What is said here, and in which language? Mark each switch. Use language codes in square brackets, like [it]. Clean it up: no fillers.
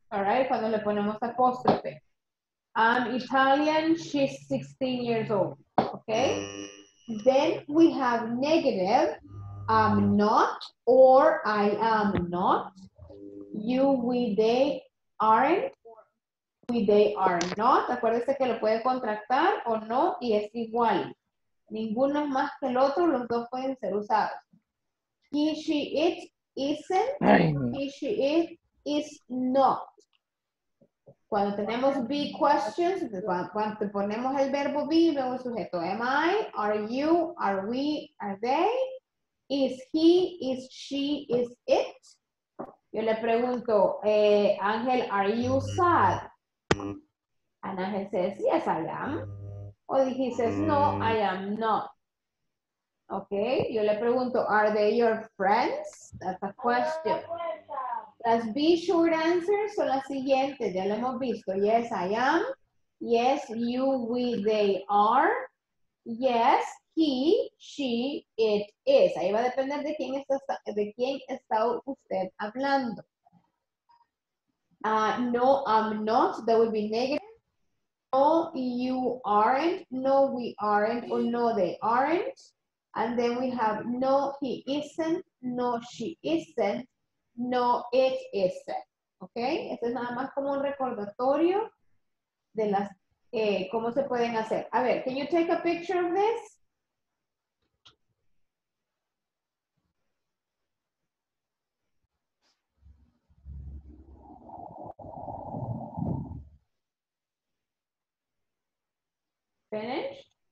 [en] All right, [es] cuando le ponemos apóstrofe. [en] I'm Italian, she's 16 years old, okay? Then we have negative, I'm not, or I am not. You, we, they, aren't, or we, they are not. [es] Acuérdese que lo puede contractar o no, y es igual. Ninguno es más que el otro, los dos pueden ser usados. [en] He, she, it, isn't, he, she, it, is not. [es] Cuando tenemos be questions, cuando te ponemos el verbo be, vemos sujeto. [en] Am I, are you, are we, are they, is he, is she, is it. [es] Yo le pregunto, Ángel, [en] are you sad? And Ángel says, yes, I am. O he says, no, I am not. Okay, [es] yo le pregunto, [en] are they your friends? That's a question. [es] Las B short answers son las siguientes, ya lo hemos visto. [en] Yes, I am. Yes, you, we, they are. Yes, he, she, it is. [es] Ahí va a depender de quién está, usted hablando. [en] No, I'm not. That would be negative. No, you aren't. No, we aren't. Or no, they aren't. And then we have no, he isn't. No, she isn't. No, it isn't. ¿Ok? [es] Esto es nada más como un recordatorio de las, cómo se pueden hacer. A ver, [en] can you take a picture of this? Finished?